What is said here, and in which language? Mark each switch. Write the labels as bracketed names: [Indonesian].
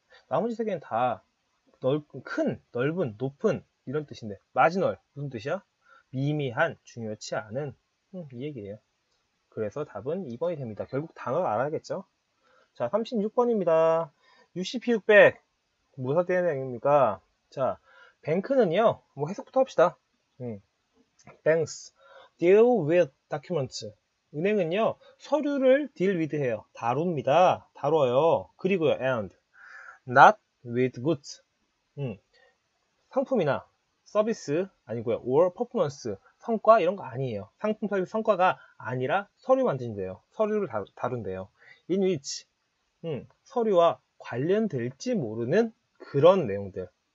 [Korean] 나머지 세 개는 다 넓은, 높은, 이런 뜻인데 마지널 무슨 뜻이야? 미미한 중요치 않은 이 얘기예요. 그래서 답은 2번이 됩니다. 결국 단어를 알아야겠죠? 자, 36번입니다. UCP600 무슨 뜻입니까? 자, 뱅크는요 뭐 해석부터 합시다. [English] Banks deal with documents. [Korean] 은행은요 서류를 [English] deal with [Korean] 해요. 다룹니다. 다뤄요. 그리고요 [English] and not with goods. [Korean] 상품이나 서비스 아니고요. or 퍼포먼스 성과 이런 거 아니에요. 상품 서비스 성과가 아니라 서류 만든대요. 서류를 다룬대요. [English] in which [Korean] 서류와 관련될지 모르는 그런 내용들.